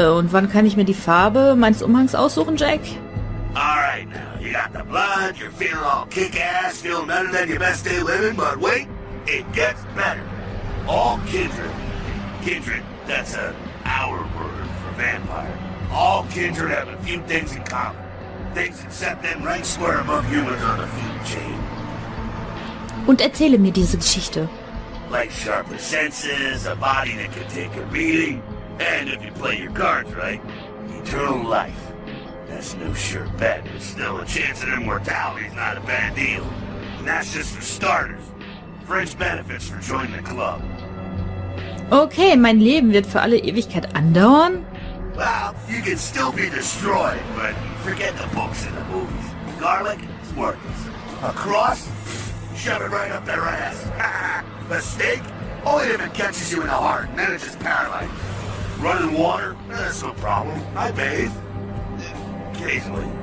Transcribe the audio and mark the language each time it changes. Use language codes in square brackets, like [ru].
[de] Und wann kann ich mir die Farbe meines Umhangs aussuchen, Jack? [en] Alright now, you got the blood, you're feeling all kick-ass, feeling better than your best day living, but wait, it gets better. All kindred. Kindred, that's a our word for vampire. All kindred have a few things in common. Things that set them right square above humans on the food chain. [de] Und erzähle mir diese Geschichte. [en] Like sharper senses, a body that can take a beating, and if you play your cards right, eternal life. That's no sure bet, but still a chance at immortality is not a bad deal. And that's just for starters. Fringe benefits for joining the club. [de] Okay, mein Leben wird für alle Ewigkeit andauern. [en] Well, you can still be destroyed, but forget the books and the movies. Garlic? It's worthless. A cross? Shove it right up their ass. A snake? Only if it catches you in the heart, and then it just paralyzes. Running water? That's no problem. I bathe. Occasionally.